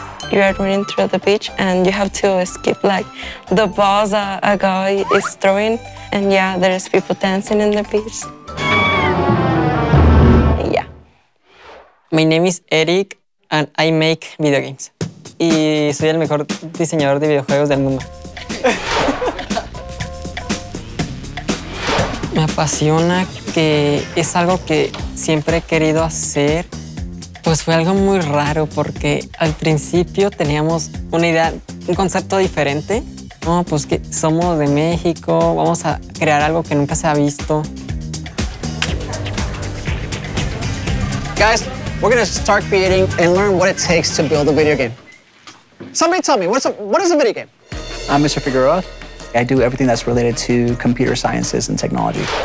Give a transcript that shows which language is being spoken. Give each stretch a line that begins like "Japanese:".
English: you are running through the beach and you have to skip like the balls a guy is throwing. And yeah, there is people dancing in the beach. Yeah. My name is Eric and I make video games.
Spanish: Y soy el mejor diseñador de videojuegos del mundo. Me apasiona que es algo que siempre he querido hacer. Pues fue algo muy raro porque al principio teníamos una idea, un concepto diferente. No, pues que somos de México, vamos a crear algo que nunca se ha visto.
English: Guys, we're gonna start creating and learn what it takes to build a video game. Somebody tell me, what is a video game? I'm Mr. Figueroa. I do everything that's related to computer sciences and technology.